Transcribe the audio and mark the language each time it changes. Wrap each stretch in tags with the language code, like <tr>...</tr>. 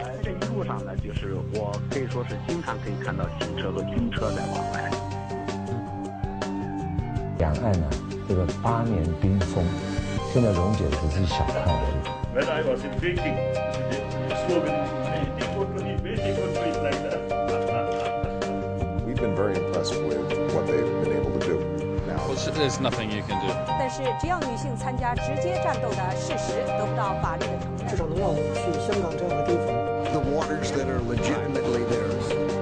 <zh>这一路上呢，就是我可以说是经常可以看到警车和军车在往来。两岸呢，这个8年冰封，现在溶解只是小范围。</zh> <en>when I was in Beijing, the slogan is like that. We've been very impressed with what they've been able to do. There's nothing you can do.</en> <zh>但是，只要女性参加直接战斗的事实得不到法律的承认，至少能让我们去香港这样的地方。</zh> <en>The waters that are legitimately theirs.</en>